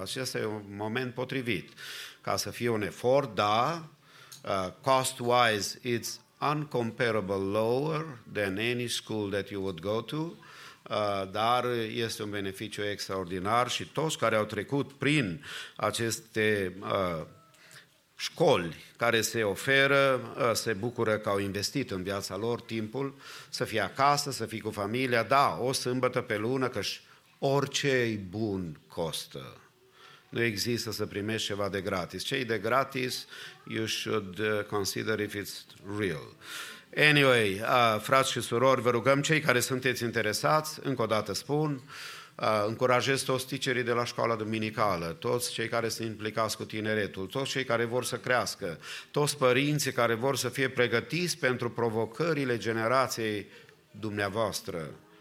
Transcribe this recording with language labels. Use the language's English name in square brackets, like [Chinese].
[Romanian] Acesta e un moment potrivit ca să fie un efort, da, [English] cost-wise it's uncomparable lower than any school that you would go to, [Romanian] dar este un beneficiu extraordinar și toți care au trecut prin aceste școli care se oferă, se bucură că au investit în viața lor timpul să fie acasă, să fie cu familia. Da, o sâmbătă pe lună, că orice bun costă. Nu există să primești ceva de gratis. Ce e de gratis, [English] you should consider if it's real. [Romanian] Anyway, frați și surori, vă rugăm, cei care sunteți interesați, încă o dată spun, încurajez toți ticerii de la școala duminicală, toți cei care sunt implicați cu tineretul, toți cei care vor să crească, toți părinții care vor să fie pregătiți pentru provocările generației dumneavoastră.